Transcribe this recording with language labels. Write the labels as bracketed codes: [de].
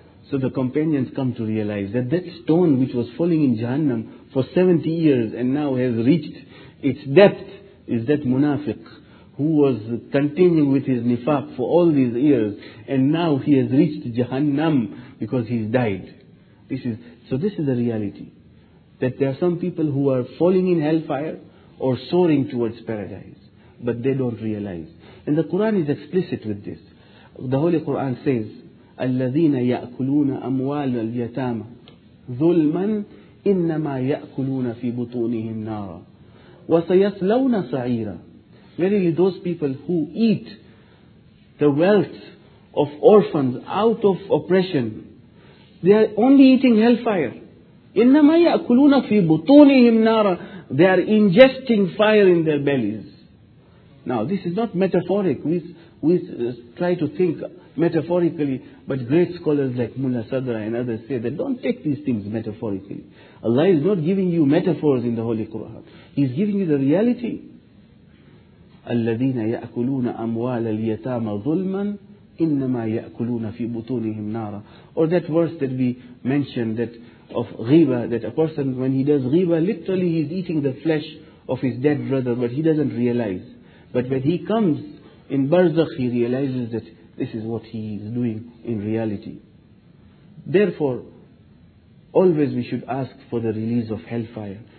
[en] So the companions come to realize that that stone which was falling in Jahannam for 70 years and now has reached its depth is that munafiq who was continuing with his nifaq for all these years, and now he has reached Jahannam because he's died. This is the reality, that there are some people who are falling in hellfire or soaring towards paradise, but they don't realize. And the Quran is explicit with this. The Holy Quran says, [ar] الَّذِينَ يَأْكُلُونَ أَمْوَالَ الْيَتَامَ ظُلْمًا إِنَّمَا يَأْكُلُونَ فِي بُطُونِهِمْ نَارًا وَسَيَسْلَوْنَ صَعِيرًا. [en] Verily those people who eat the wealth of orphans out of oppression, they are only eating hellfire. [ar] إِنَّمَا يَأْكُلُونَ فِي بُطُونِهِمْ نَارًا. [en] They are ingesting fire in their bellies. Now this is not metaphoric. We try to think metaphorically, but great scholars like Mullah Sadra and others say that don't take these things metaphorically. Allah is not giving you metaphors in the Holy Quran. He's giving you the reality. [ar] الَّذِينَ يَأْكُلُونَ أَمْوَالَ الْيَتَامَ ظُلْمًا إِنَّمَا يَأْكُلُونَ فِي بُطُونِهِمْ نَارًا. [en] Or that verse that we mentioned, that of ghiba, that a person, when he does ghiba, literally he's eating the flesh of his dead brother, but he doesn't realize. But when he comes in barzakh, he realizes that this is what he is doing in reality. Therefore, always we should ask for the release of hellfire.